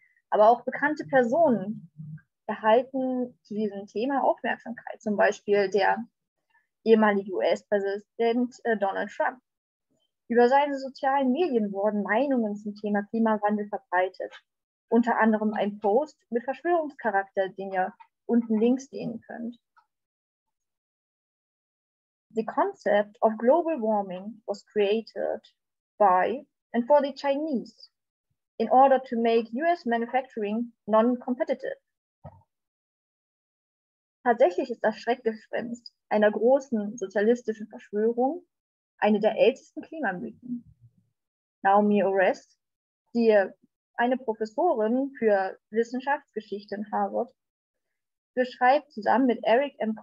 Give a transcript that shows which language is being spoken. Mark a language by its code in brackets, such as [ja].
[de] Aber auch bekannte Personen erhalten zu diesem Thema Aufmerksamkeit, zum Beispiel der ehemalige US-Präsident Donald Trump. Über seine sozialen Medien wurden Meinungen zum Thema Klimawandel verbreitet. Unter anderem ein Post mit Verschwörungscharakter, den ihr unten links sehen könnt. [en] The concept of global warming was created by and for the Chinese in order to make US manufacturing non-competitive. [de] Tatsächlich ist das Schreckgespenst einer großen sozialistischen Verschwörung, eine der ältesten Klimamythen. Naomi Oreskes, die eine Professorin für Wissenschaftsgeschichte in Harvard, beschreibt zusammen mit Eric M.